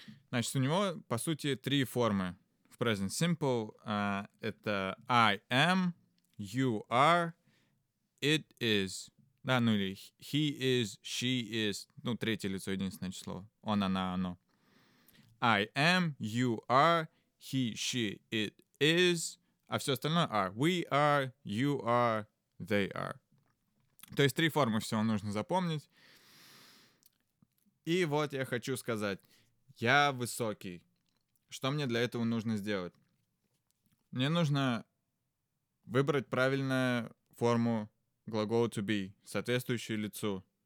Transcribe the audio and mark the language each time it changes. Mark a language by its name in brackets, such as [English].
[Russian] Значит, у него, по сути, три формы. В present simple это [English] I am, you are, it is, [Russian] да, ну или [English] he is, she is, [Russian] ну, третье лицо, единственное число, он, она, оно. [English] I am, you are, he, she, it is, [Russian] а все остальное [English] are. We are, you are, they are. [Russian] То есть три формы всего нужно запомнить. И вот я хочу сказать, я высокий. Что мне для этого нужно сделать? Мне нужно выбрать правильную форму глагол [English] to be, [Russian] соответствующее лицу.